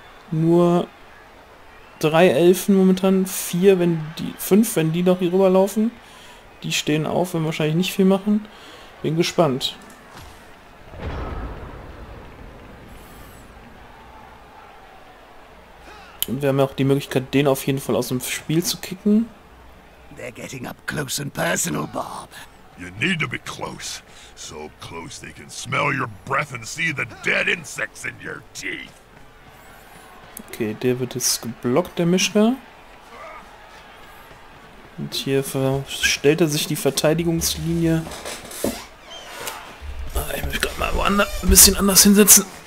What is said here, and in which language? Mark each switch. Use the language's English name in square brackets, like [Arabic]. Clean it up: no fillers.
[German] Nur 3 Elfen momentan, 4, wenn die 5, wenn die noch hier rüberlaufen. Die stehen auf, werden wahrscheinlich nicht viel machen. Bin gespannt. Und wir haben ja auch die Möglichkeit, den auf jeden Fall aus dem Spiel zu kicken. [English] They're getting up close and personal, Bob. You need to be close. So close they can smell your breath and see the dead insects in your teeth. [German] Okay, der wird jetzt geblockt, der Mishka. Und hier stellt er sich die Verteidigungslinie. Ich muss gerade mal woanders, ein bisschen anders hinsetzen.